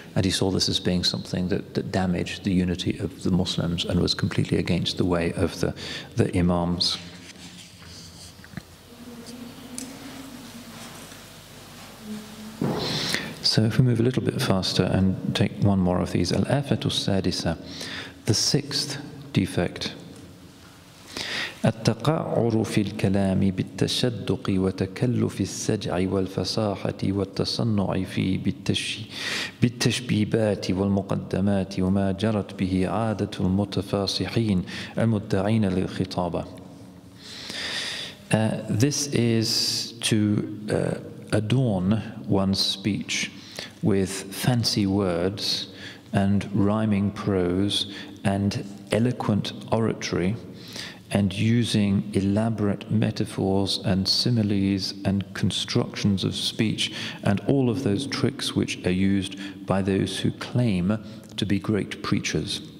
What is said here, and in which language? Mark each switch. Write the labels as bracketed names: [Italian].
[English] And he saw this as being something that damaged the unity of the Muslims and was completely against the way of the Imams. So if we move a little bit faster and take one more of these, [Arabic] al-afatu sadisa, [English] the sixth defect. [Arabic] التقعر في الكلام بالتشدق وتكلف السجع والفصاحة والتصنع في بالتشبيبات والمقدمات وما جرت به عادة المتفاصحين المدعين للخطابة. [English] This is to adorn one's speech with fancy words and rhyming prose and eloquent oratory, and using elaborate metaphors and similes and constructions of speech and all of those tricks which are used by those who claim to be great preachers.